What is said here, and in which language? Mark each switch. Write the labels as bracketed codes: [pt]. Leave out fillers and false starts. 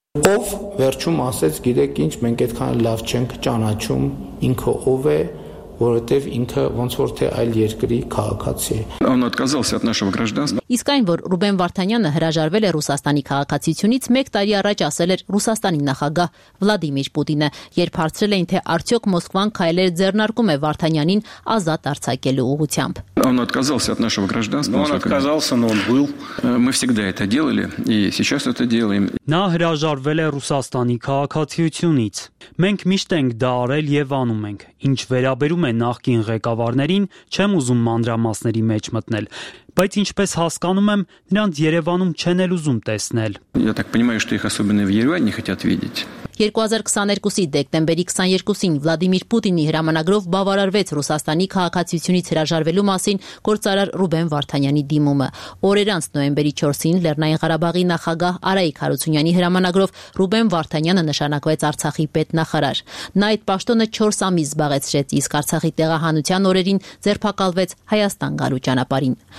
[hy] Ով վերջում ասեց, գիտեք ինչ, մենք այդքան լավ չենք ճանաչում ինքը ով է, որովհետև ինքը ոնց որ թե այլ երկրի քաղաքացի։ Իսկ այն, որ Ռուբեն Վարդանյանը հրաժարվել է Ռուսաստանի քաղաքացիությունից, մեկ տարի առաջ ասել էր Ռուսաստանի նախագահ Վլադիմիր Պուտինը, երբ հարցրել էին, թե արդյոք Մոսկվան քայլեր ձեռնարկում է Վարդանյանին ազատ արձակելու ուղղությամբ։ [ru] Он отказался от нашего гражданства. Он отказался, но он был. Мы всегда это делали и сейчас это делаем. [hy] Նա հրաժարվել է Ռուսաստանի քաղաքացիությունից. Մենք միշտ ենք դա արել եւ անում ենք։ Ինչ վերաբերում է նախկին ղեկավարներին, չեմ ուզում մանրամասների մեջ մտնել, բայց ինչպես հասկանում եմ, նրանց Երևանում չեն էլ ուզում տեսնել։ [ru] Я так понимаю, что их особенно в Ереване не хотят видеть. [hy] 2022-ի դեկտեմբերի 22-ին Վլադիմիր Պուտինի հրամանագրով բավարարվեց Ռուսաստանի քաղաքացիությունից հրաժարվելու մասին գործարար Ռուբեն Վարդանյանի դիմումը։ Օրեր անց նոյեմբերի 4-ին Լեռնային Ղարաբաղի նախագահ Արայիկ Հարությունյանի հրամանագրով Ռուբեն Վարդանյանը նշանակվեց Արցախի պետնախարար։ Նա այդ պաշտոնը 4 ամիս զբաղեցրեց, իսկ Արցախի տեղահանության օրերին ձերբակալվեց Հայաստան գալու ճանապարհին։